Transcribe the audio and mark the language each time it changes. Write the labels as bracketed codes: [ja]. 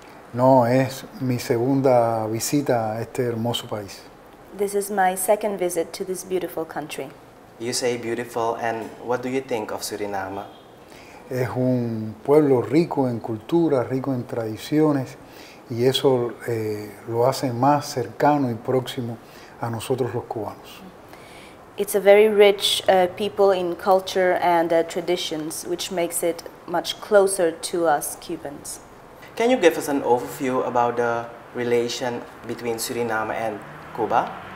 [es] No, es mi segunda visita a este hermoso país. [en] This is my second visit to this beautiful country. You say beautiful, and what do you think of Suriname? [es] Es un pueblo rico en cultura, rico en tradiciones, y eso lo hace más cercano y próximo a nosotros los cubanos. [en] It's a very rich people in culture and traditions, which makes it much closer to us Cubans. Can you give us an overview about the relation between Suriname and Cuba?